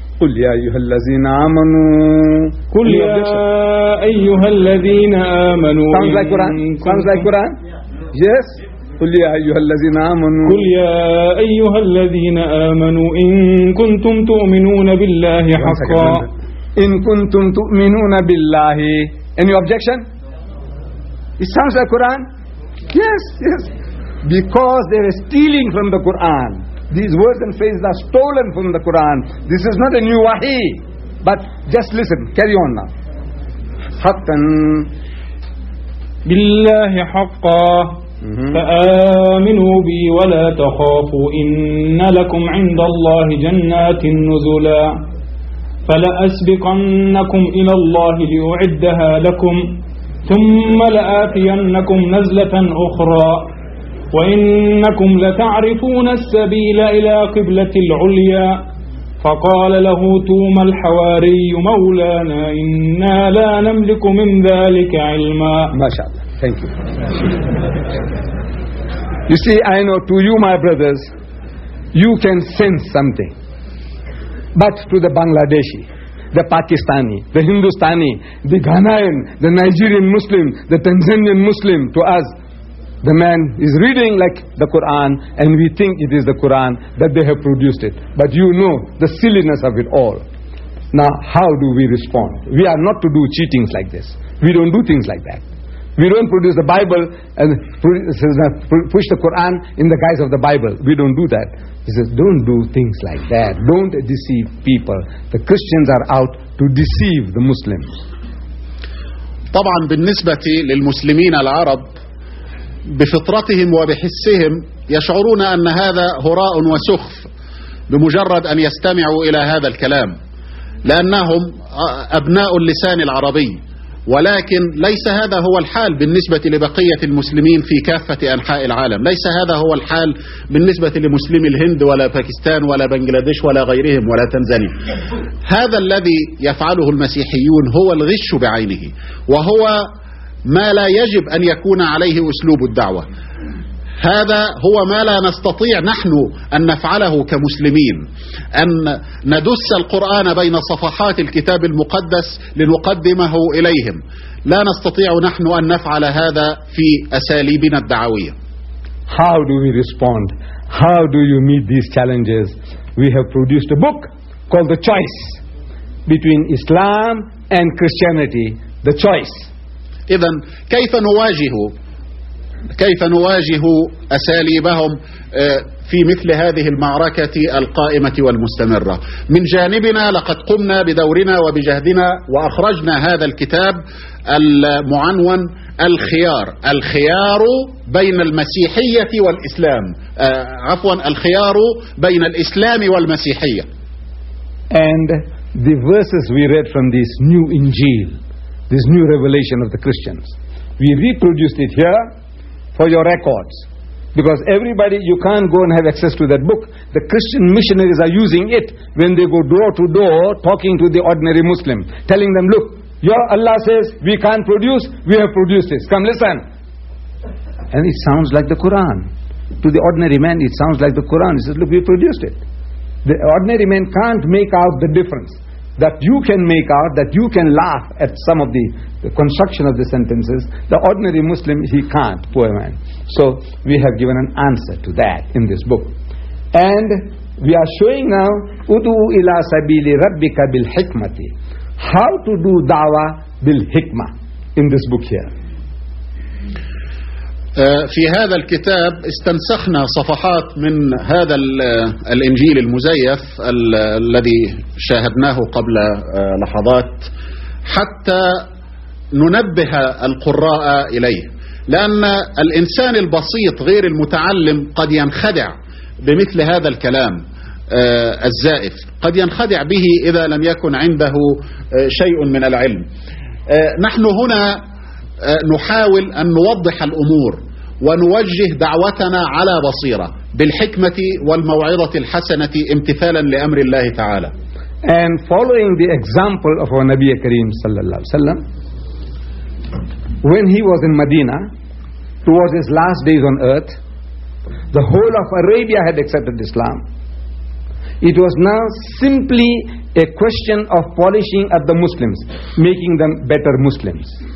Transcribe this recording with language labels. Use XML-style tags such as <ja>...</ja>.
<ar>قل يا أيها الذين آمنوا قل يا أيها الذين آمنوا</ar> <en>sounds like Quran yes</en> <ar>قل يا أيها الذين آمنوا قل يا أيها الذين آمنوا إن كنتم تؤمنون بالله حقا إن كنتم تؤمنون بالله</ar> <en>any objection it sounds like Quran yes Because they are stealing from the Quran. These words and phrases are stolen from the Quran. This is not a new wahi. But just listen. Carry on now.</en> <ar>Haqqan. Billahi haqqa. Fa'aminu bi wa la takhafu inna lakum inda Allah jannatin nuzula. Fala asbiqannakum ila Allah li'u'iddaha lakum. Thumma la'atiyannakum nazlatan ukhra. وإنكم لتعرفون السبيل إلى قبلة العليا فقال له توما الحواري مولانا إنا لا نملك من ذلك علما</ar> <en>ما شاء الله Thank you. You see, I know to you, my brothers, you can sense something. But to the Bangladeshi, the Pakistani, the Hindustani, the Ghanaian, the Nigerian Muslim, the Tanzanian Muslim, to us, the man is reading like the Quran, and we think it is the Quran that they have produced it. But you know the silliness of it all. Now, how do we respond? We are not to do cheatings like this. We don't do things like that. We don't produce the Bible and push the Quran in the guise of the Bible. We don't do that. He says, don't do things like that. Don't deceive people. The Christians are out to deceive the Muslims.</en> <ar>طبعا بالنسبة للمسلمين العرب بفطرتهم وبحسهم يشعرون أن هذا هراء وسخف بمجرد أن يستمعوا إلى هذا الكلام لأنهم أبناء اللسان العربي. ولكن ليس هذا هو الحال بالنسبة لبقية المسلمين في كافة أنحاء العالم. ليس هذا هو الحال بالنسبة لمسلم الهند ولا باكستان ولا بنغلاديش ولا غيرهم ولا تنزانيا. هذا الذي يفعله المسيحيون هو الغش بعينه، وهو ما لا يجب أن يكون عليه أسلوب الدعوة. هذا هو ما لا نستطيع نحن أن نفعله كمسلمين، أن ندس القرآن بين صفحات الكتاب المقدس لنقدمه إليهم. لا نستطيع نحن أن نفعل هذا في أساليبنا الدعوية.</ar> <en>How do we respond? How do you meet these challenges? We have produced a book called The Choice between Islam and Christianity. The Choice.</en> <ar>إذن كيف نواجه كيف نواجه أساليبهم في مثل هذه المعركة القائمة والمستمرة؟ من جانبنا لقد قمنا بدورنا وبجهدنا وأخرجنا هذا الكتاب المعنون الخيار، الخيار بين المسيحية والإسلام، عفوا الخيار بين الإسلام والمسيحية.</ar> <en>And the verses we read from this new Injil, this new revelation of the Christians, we reproduced it here for your records, because everybody, you can't go and have access to that book. The Christian missionaries are using it when they go door to door talking to the ordinary Muslim, telling them, look, your Allah says we can't produce, we have produced this, come listen. And it sounds like the Quran to the ordinary man. It sounds like the Quran. He says, look, we produced it. The ordinary man can't make out the difference. That you can make out, that you can laugh at some of the construction of the sentences, the ordinary Muslim, he can't, poor man. So we have given an answer to that in this book. And we are showing now,</en> <ar>Udu ila sabili rabbika bil hikmati,</ar> <en>how to do dawah bil hikmah in this book here.</en> <ar>في هذا الكتاب استنسخنا صفحات من هذا الإنجيل المزيف الذي شاهدناه قبل لحظات حتى ننبه القراء إليه، لأن الإنسان البسيط غير المتعلم قد ينخدع بمثل هذا الكلام الزائف، قد ينخدع به إذا لم يكن عنده شيء من العلم. نحن هنا نحاول أن نوضح الأمور ونوجه دعوتنا على بصيرة بالحكمة والموعظة الحسنة امتثالا لأمر الله تعالى.</ar> <en>And following the example of our Nabi Kareem صلى الله عليه وسلم, when he was in Medina towards his last days on earth, the whole of Arabia had accepted Islam. It was now simply a question of polishing up the Muslims, making them better Muslims.</en>